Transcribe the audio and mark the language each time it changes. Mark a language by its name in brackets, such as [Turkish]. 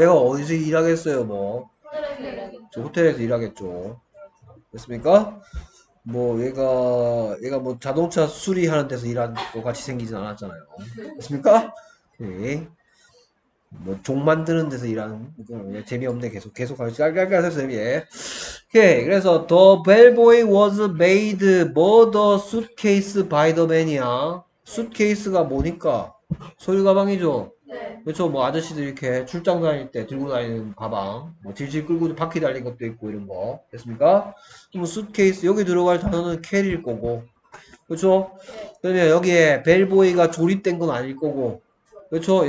[Korean] 얘가 어디서 일하겠어요, 뭐. 저 호텔에서 일하겠죠. 됐습니까? 뭐 얘가 뭐 자동차 수리하는 데서 일한 거 같이 생기진 않았잖아요. 됐습니까? 네. 뭐종 만드는 데서 일하는 재미없네 계속 가지 깔깔깔 오케이. 그래서 [English] The bellboy was made for the suitcase by the man이야. [Korean] suitcase가 뭐니까? 서류 가방이죠. 네. 그렇죠. 뭐 아저씨들 이렇게 출장 다닐 때 들고 다니는 가방, 뭐 질질 끌고 바퀴 달린 것도 있고 이런 거, 됐습니까? 그럼 수트케이스 여기 들어갈 단어는 캐리일 거고, 그렇죠? 그러면 여기에 벨보이가 조립된 건 아닐 거고, 그렇죠?